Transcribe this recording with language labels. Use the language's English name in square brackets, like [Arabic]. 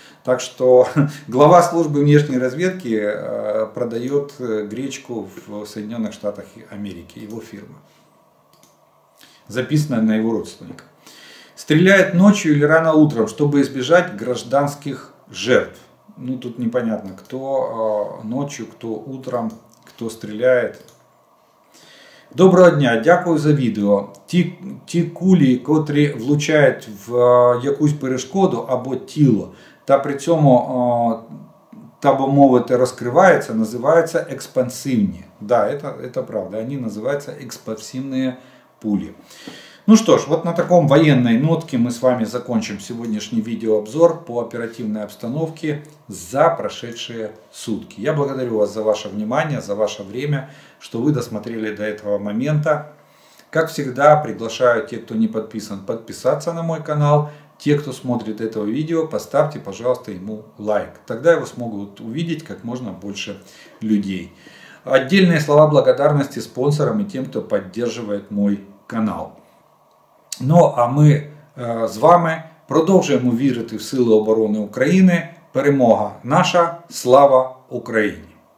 [Russian] Так что глава службы внешней разведки продает гречку в Соединенных Штатах Америки, его фирма, записанная на его родственника. Стреляет ночью или рано утром, чтобы избежать гражданских жертв. Ну, тут непонятно, кто ночью, кто утром, кто стреляет. [Ukrainian] Доброго дня, дякую за відео. Ті кулі, котрі влучають в якусь перешкоду або тіло, та при цьому, та бо мовити, розкривається, називаються експансивні. Да, це правда, вони називаються експансивні пулі. [Russian] Ну что ж, вот на таком военной нотке мы с вами закончим сегодняшний видеообзор по оперативной обстановке за прошедшие сутки. Я благодарю вас за ваше внимание, за ваше время, что вы досмотрели до этого момента. Как всегда, приглашаю тех, кто не подписан, подписаться на мой канал. Те, кто смотрит это видео, поставьте, пожалуйста, ему лайк. Тогда его смогут увидеть как можно больше людей. Отдельные слова благодарности спонсорам и тем, кто поддерживает мой канал. [Ukrainian] Ну, а ми з вами продовжуємо вірити в сили оборони України. Перемога наша, слава Україні!